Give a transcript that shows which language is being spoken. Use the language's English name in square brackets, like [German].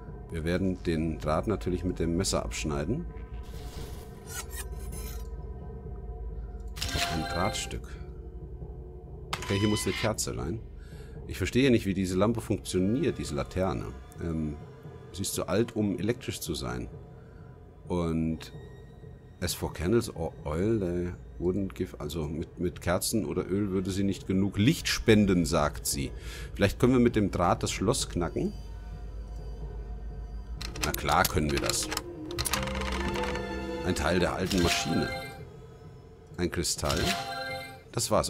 [German] Wir werden den Draht natürlich mit dem Messer abschneiden. Drahtstück. Okay, hier muss eine Kerze rein. Ich verstehe nicht, wie diese Lampe funktioniert, diese Laterne. Sie ist zu alt, um elektrisch zu sein. Und [English] as for candles or oil, they wouldn't give... [German] Also mit Kerzen oder Öl würde sie nicht genug Licht spenden, sagt sie. Vielleicht können wir mit dem Draht das Schloss knacken. Na klar können wir das. Ein Teil der alten Maschine. Ein Kristall. Das war's.